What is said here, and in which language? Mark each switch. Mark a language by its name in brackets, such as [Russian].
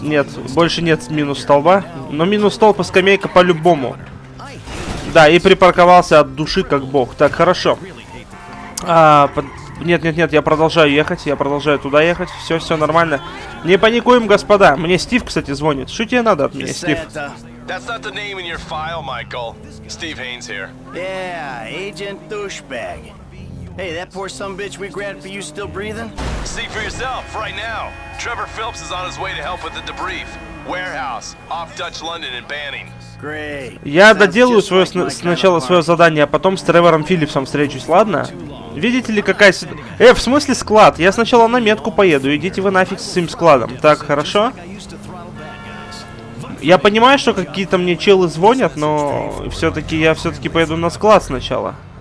[Russian] Нет, больше нет минус столба. Но минус столб и скамейка по-любому. Да, и припарковался от души как бог. Так, хорошо. Нет-нет-нет, я продолжаю ехать. Я продолжаю туда ехать. Все-все нормально. Не паникуем, господа. Мне Стив, кстати, звонит. Что тебе надо от меня, Стив? [English] That's not the name in your file, Michael. Steve Haynes here. Yeah, agent douchebag. Hey, that poor sumbitch we grabbed for you still breathing? See for yourself, right now. Trevor Phillips is on his way to help with the debrief. Warehouse, off Dutch London in Banning. Great. [Russian] Я доделаю свое сначала свое задание, а потом с Тревором Филлипсом встречусь, ладно? Видите ли, какая ситуация... в смысле склад? Я сначала на метку поеду, идите вы нафиг с этим складом. Так, хорошо? Я понимаю, что какие-то мне челы звонят, но... Я все-таки поеду на склад сначала.